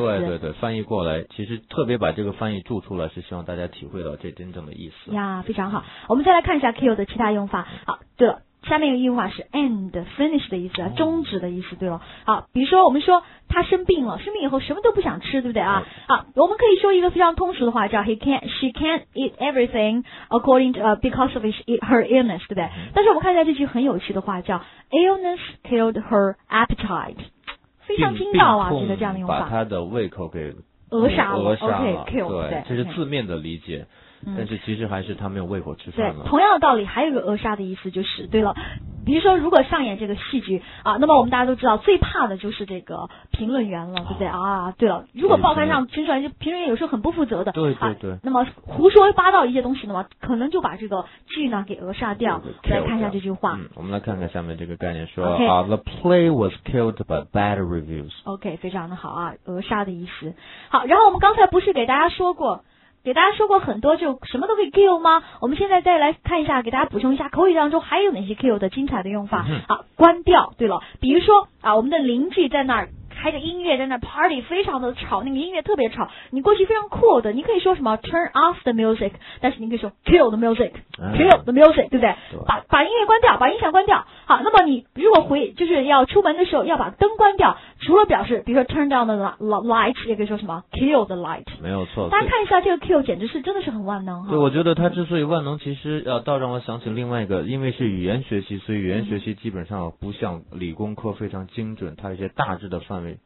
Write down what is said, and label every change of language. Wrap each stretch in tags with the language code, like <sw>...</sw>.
<zh>对对对，翻译过来，其实特别把这个翻译注出来，是希望大家体会到这真正的意思。呀，非常好。我们再来看一下 kill 的其他用法。好，对了，下面一个用法是 end finish 的意思，终止的意思，对了。好，比如说我们说他生病了，生病以后什么都不想吃，对不对啊？好，我们可以说一个非常通俗的话，叫</zh> <en>she can't eat everything according to because of her illness，</en> <zh>对不对？但是我们看一下这句很有趣的话，叫</zh> <en>illness killed her appetite，</en> <zh>非常精妙啊，觉得这样的用法，把他的胃口给扼杀了</zh> <en>okay,</en> <zh>kill， 对，</zh> <en>okay,</en> <zh>这是字面的理解。但是其实还是他没有胃口吃饭了。对，同样的道理，还有个扼杀的意思，就是对了，比如说如果上演这个戏剧啊，那么我们大家都知道最怕的就是这个评论员了，对不对啊？对了，如果报刊上听出来，就评论员有时候很不负责的，对对对、啊。那么胡说八道一些东西的话，可能就把这个剧呢给扼杀掉。对对，来看一下这句话。嗯，我们来看看下面这个概念说啊、</zh> <en>okay, ，the play was killed by bad reviews。 OK，</en> <zh>非常的好啊，扼杀的意思。好，然后我们刚才不是给大家说过。给大家说过很多就什么都可以 kill 吗？我们现在再来看一下，给大家补充一下口语当中还有哪些 kill 的精彩的用法。好、啊，关掉。对了，比如说啊，我们的邻居在那儿开着音乐，在那 party， 非常的吵，那个音乐特别吵。你过去非常 cool 的，你可以说什么</zh> <en>turn off the music，</en> <zh>但是你可以说</zh> <en>kill the music， kill the music，</en> <zh>对不对？把音乐关掉，把音响关掉。好，那么你如果回就是要出门的时候要把灯关掉，除了表示比如说</zh> <en>turn down the light，</en> <zh>也可以说什么</zh> <en>kill the light，</en> <zh>没有错。大家看一下这个 kill 简直是真的是很万能。对，我觉得它之所以万能，其实要倒让我想起另外一个，因为是语言学习，所以语言学习基本上不像理工科非常精准，它一些大致的范围。</zh>